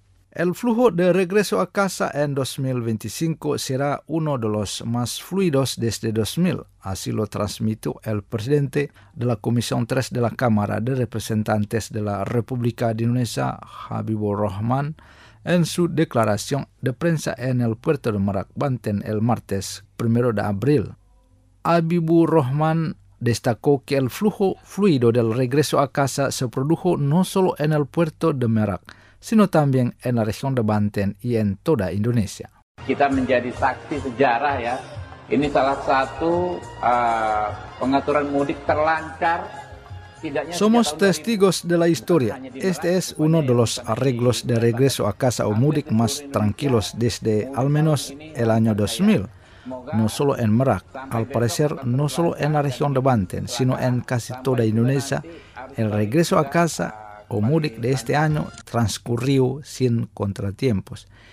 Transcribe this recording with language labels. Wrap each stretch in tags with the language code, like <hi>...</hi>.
<es>El flujo de regreso a casa en 2025 será uno de los más fluidos desde 2000, así lo transmitió el presidente de la Comisión 3 de la Cámara de Representantes de la República de Indonesia, Habibur Rahman, en su declaración de prensa en el puerto de Merak, Banten, el martes 1 de abril. Habibur Rahman destacó que el flujo fluido del regreso a casa se produjo no solo en el puerto de Merak, sino también en la región de Banten y en toda Indonesia.</es> <id>Kita menjadi saksi sejarah ya. Ini salah satu pengaturan mudik terlancar.</id> <es>Somos testigos de la historia. Este es uno de los arreglos de regreso a casa o mudik más tranquilos desde al menos el año 2000. No solo en Merak, al parecer no solo en la región de Banten, sino en casi toda Indonesia, el regreso a casa o mudik de este año transcurrió sin contratiempos.</es>